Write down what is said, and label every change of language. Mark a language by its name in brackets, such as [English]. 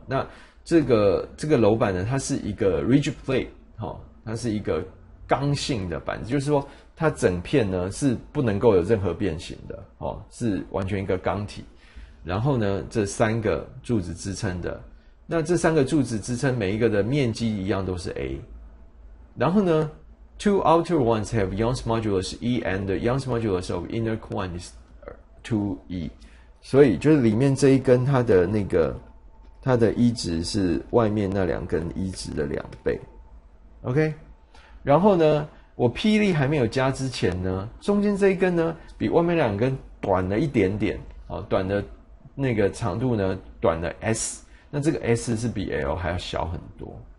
[Chinese] 那这个楼板呢，它是一个 rigid plate 齁，它是一个刚性的板子，就是说它整片呢是不能够有任何变形的齁，是完全一个钢体。然后呢这三个柱子支撑的，那这三个柱子支撑每一个的面积一样都是 A。然后呢 [English] Two outer ones have Young's modulus E and the Young's modulus of inner coin is 2E. [Chinese] 所以就是里面这一根它的那个它的E值是外面那两根E值的两倍。 [English] OK? [Chinese] 然后呢我霹雳还没有加之前呢，中间这一根呢比外面两根短了一点点，短的那个长度呢短了 S， 那这个 S 是比 L 还要小很多。